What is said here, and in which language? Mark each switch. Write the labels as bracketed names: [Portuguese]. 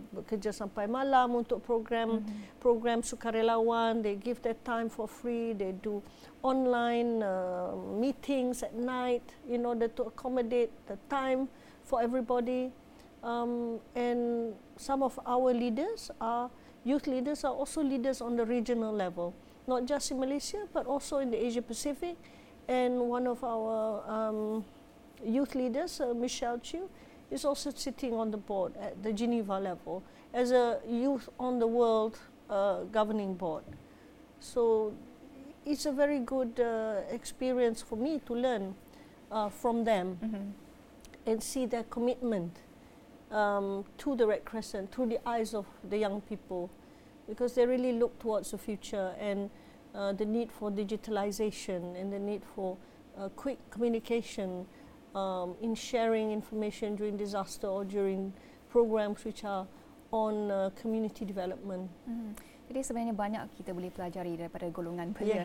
[Malay] Bekerja sampai malam untuk program sukarelawan. [English] They give their time for free. They do online meetings at night in order to accommodate the time for everybody. And some of our leaders are youth leaders are also leaders on the regional level, not just in Malaysia, but also in the Asia-Pacific. And one of our youth leaders, Michelle Chiu, is also sitting on the board at the Geneva level as a youth on the world governing board. So it's a very good experience for me to learn from them and see their commitment to the Red Crescent, through the eyes of the young people. Because they really look towards the future and the need for digitalization and the need for quick communication in sharing information during disaster or during programs which are on community development. [Malay] Jadi sebenarnya banyak kita boleh pelajari daripada golongan belia.